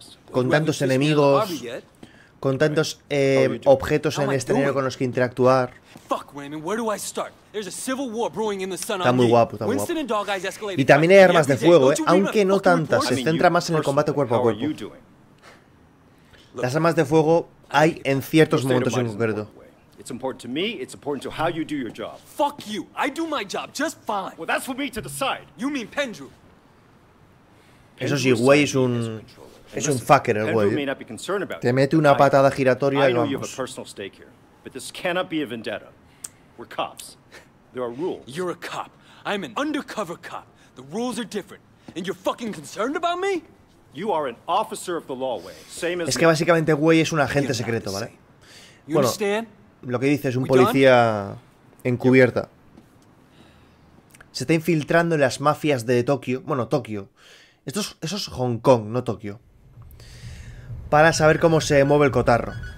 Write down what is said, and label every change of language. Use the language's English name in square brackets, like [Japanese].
[Spanish] con tantos enemigos, con tantos objetos en el escenario con los que interactuar. Está muy guapo, está muy guapo. Y también hay armas de fuego, ¿eh? Aunque no tantas, se centra más en el combate cuerpo a cuerpo. Las armas de fuego hay en ciertos momentos en concreto. [English] It's important to me, it's important to how you do your job. Fuck you! I do my job just fine! Well, that's for me to decide! You mean Pendru! [Spanish] Eso sí, güey es un... es un fucker el güey. Te mete una patada giratoria y vamos. [English] I know you have a personal stake here, but this cannot be a vendetta. We're cops. There are rules. You're a cop. I'm an undercover cop. The rules are different. And you're fucking concerned about me? You are an officer of the law, way. Same as... [Spanish] Es que básicamente güey es un agente secreto, ¿vale? [English] You understand? [Spanish] Lo que dice es un policía encubierta. Se está infiltrando en las mafias de Tokio. Bueno, Tokio. Eso es Hong Kong, no Tokio. Para saber cómo se mueve el cotarro.